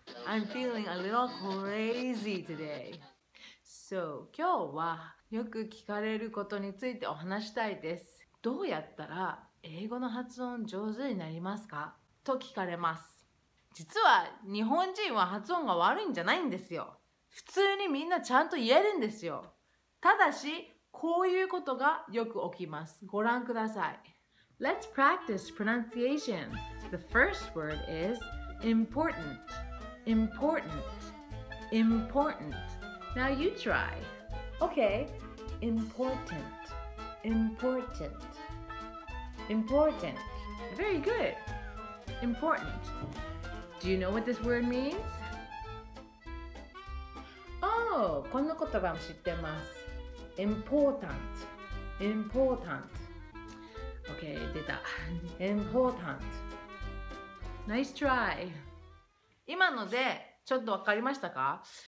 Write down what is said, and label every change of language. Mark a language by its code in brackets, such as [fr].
[en] I'm feeling a little crazy today. So, [ja] 今日はよく聞かれることについてお話したいです。どうやったら英語の発音上手になりますか？と聞かれます。実は日本人は発音が悪いんじゃないんですよ。普通にみんなちゃんと言えるんですよ。ただし、こういうことがよく起きます。ご覧ください。 [en] Let's practice pronunciation. The first word is important. Important. Important. Now you try. Okay. Important. Important. Important. Very good. Important. Do you know what this word means? Oh, [ja] この言葉も知ってます。 [en] Important. Important. Okay, [ja] 出た。 [en] Important. Nice try. [ja] 今のでちょっとわかりましたか？